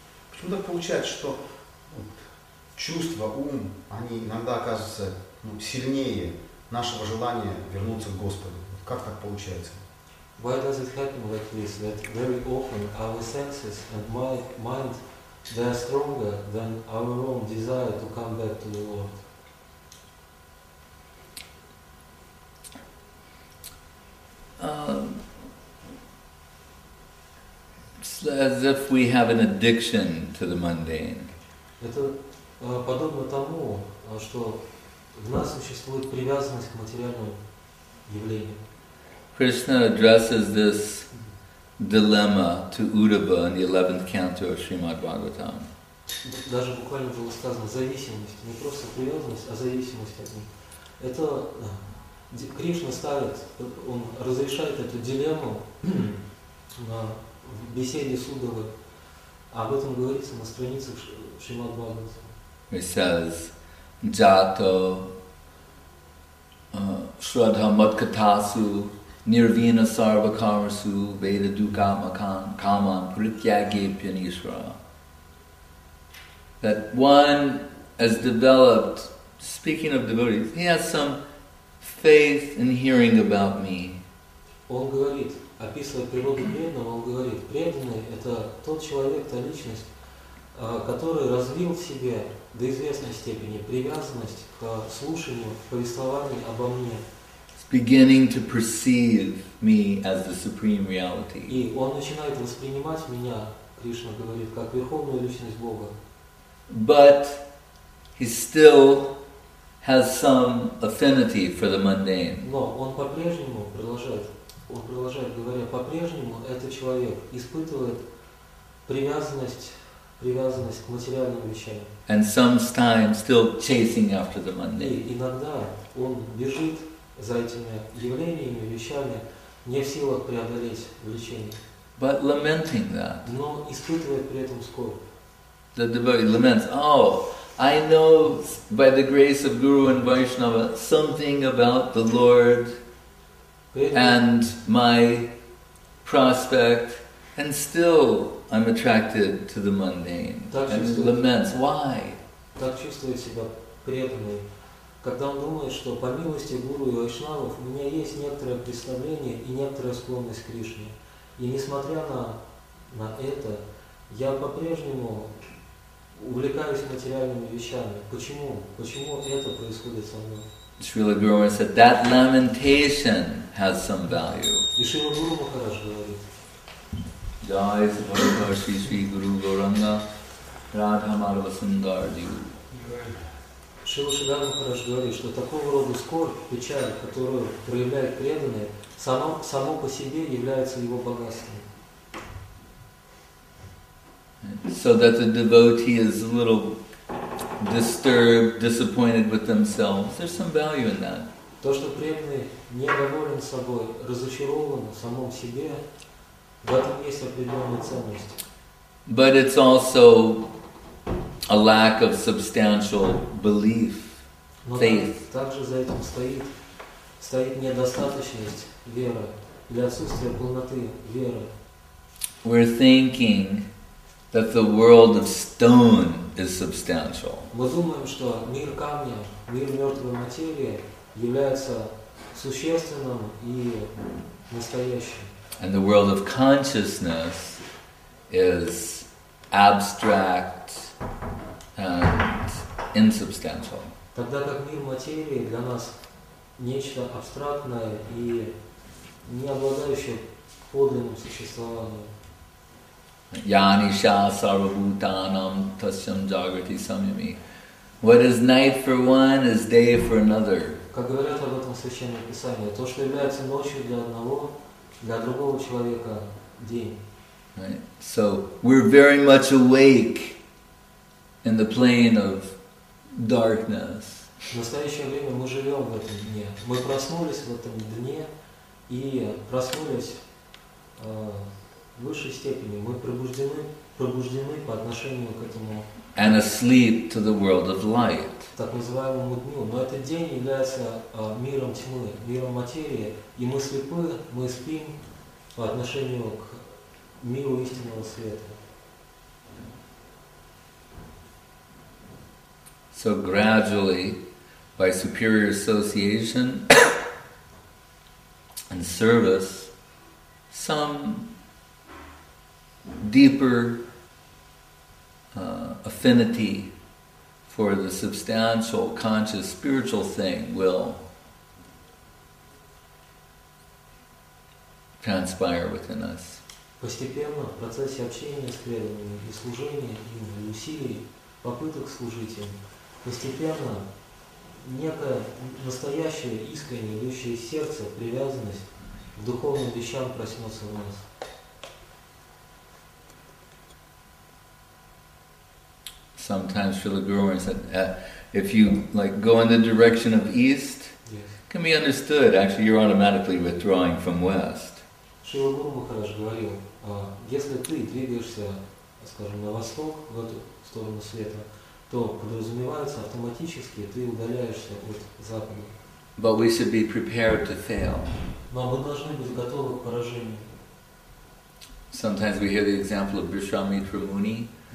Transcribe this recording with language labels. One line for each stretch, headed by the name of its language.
Russian: Почему так получается, что чувства, ум, они иногда оказываются сильнее нашего желания вернуться к Господу? Как так получается?
English: Why does it happen like this, that very often our senses and mind, they are stronger than our own desire to come back to the Lord? As if we have an addiction to the mundane.
Russian: Это подобно тому, что в нас существует привязанность к материальному явлению.
English: Krishna addresses this dilemma to Uddhava in the 11th canto of Srimad Bhagavatam.
Russian: Даже буквально было сказано зависимость, не просто привязанность, а зависимость от них. Это Кришна ставит, он разрешает эту дилемму в беседе с Уддхавой. Об этом говорится на страницах Шримад Бхагаватам.
English: He says,
Sanskrit: jato shraddha madkatasu nirvina sarvakarmasu veda dukamakam kaman prityagepyanishra.
English: That one has developed, speaking of devotees, he has some faith in hearing about me.
Russian: Он говорит, описывая природу преданного, он говорит, преданный – это тот человек, та личность, который развил в себе до известной степени привязанность к слушанию, к повествованию обо мне.
English: It's beginning to perceive me as the supreme reality.
Russian: И он начинает воспринимать меня, Кришна говорит, как верховную личность Бога.
English: But he still has some affinity for the mundane.
Russian: Но он по-прежнему продолжает. Он продолжает говоря, по-прежнему этот человек испытывает привязанность к материальным вещам.
English: And sometimes still chasing after the mundane.
Russian: И иногда он бежит за этими явлениями, вещами, не в силах преодолеть влечение.
English: But lamenting that.
Russian: Но испытывает при этом скорбь.
English: The devotee laments, oh, I know by the grace of Guru and Vaishnava something about the Lord and my prospect, and still I'm attracted to the mundane, and laments, why?
Russian: Так чувствует себя преданный, когда он думает, что по милости Гуру и Вайшнавов у меня есть некоторое представление и некоторая склонность к Кришне. И несмотря на это, я по-прежнему увлекаюсь материальными вещами. Почему? Почему это происходит со мной?
English: Srila Guru Maharaj said, that lamentation has some value.
Russian: И Шрила Гуру Махарадж говорит.
Sanskrit: Jai Subhadra Shri Shri Guru Gauranga Radha Madhava Sundar Diyu.
Russian: Шрила Шридхар Махарадж говорит, что такого рода скорбь, печаль, которую проявляет преданный, само по себе является его богатством.
English: So that the devotee is a little disturbed, disappointed with themselves. There's some value in that.
Russian: То, что преданный недоволен собой, разочарован в самом себе, в этом есть определенная ценность.
English: But it's also a lack of substantial belief, faith.
Russian: Но также за этим стоит недостаточность веры или отсутствие полноты веры.
English: We're thinking that the world of stone is substantial.
Russian: Мы думаем, что мир камня, мир мертвой материи является существенным и настоящим.
English: And the world of consciousness is abstract and insubstantial.
Russian: Тогда как мир материи для нас нечто абстрактное и не обладающее подлинным существованием.
Sanskrit: Yani sha sarvabhutanam tasyam jagrati samyami.
English: What is night for one is day for another.
Russian: Как говорят об этом в Священном Писании, то, что является ночью для одного, для другого человека день. Right.
English: So we're very much awake in the plane of darkness.
Russian: В настоящее время мы живем в этом дне. Мы проснулись в этом дне и проснулись в высшей степени мы пробуждены по отношению к этому.
English: And asleep to the world of light.
Russian: Так называемому дню. Но этот день является миром тьмы, миром материи. И мы слепы, мы спим по отношению к миру истинного света.
English: So gradually, by superior association and service, some deeper affinity for the substantial, conscious, spiritual thing will transpire within us.
Russian: Постепенно в процессе общения с преданными и служения им и усилий, попыток служить им, постепенно некое настоящее, искреннее, идущее из сердца, привязанность к духовным вещам проснется в нас.
English: Sometimes Srila Guru said, if you like go in the direction of east, yes, can be understood, actually you're automatically withdrawing from west.
Russian: Srila Guru Maharaj говорил, если ты двигаешься, скажем, на восток, в эту сторону света, то подразумевается автоматически, ты удаляешься от запада.
English: But we should be prepared to fail.
Russian: Но мы должны быть готовы к поражению.
English: Sometimes we hear the example of Vishwamitra Muni.